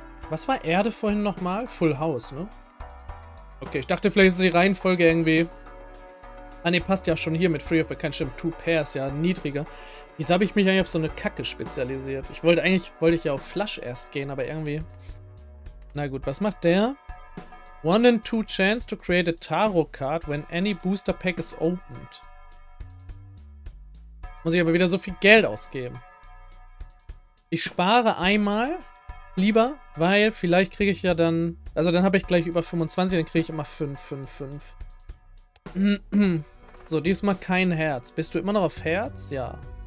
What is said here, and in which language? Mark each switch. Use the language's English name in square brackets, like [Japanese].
[German] Was war Erde vorhin nochmal? Full House, ne? Okay, ich dachte, vielleicht ist die Reihenfolge irgendwie. Ah, ne, passt ja schon hier mit Three of a Kind, stimmt, Two Pairs, ja, niedriger. Wieso habe ich mich eigentlich auf so eine Kacke spezialisiert? Wollte ich ja auf Flush erst gehen, aber irgendwie. Na gut, was macht der? [English] One in two chance to create a Tarot card when any booster pack is opened. [German] Muss ich aber wieder so viel Geld ausgeben. Ich spare einmal lieber, weil vielleicht kriege ich ja dann. Also dann habe ich gleich über 25, dann kriege ich immer 5, 5, 5. So, diesmal kein Herz. Bist du immer noch auf Herz? Ja.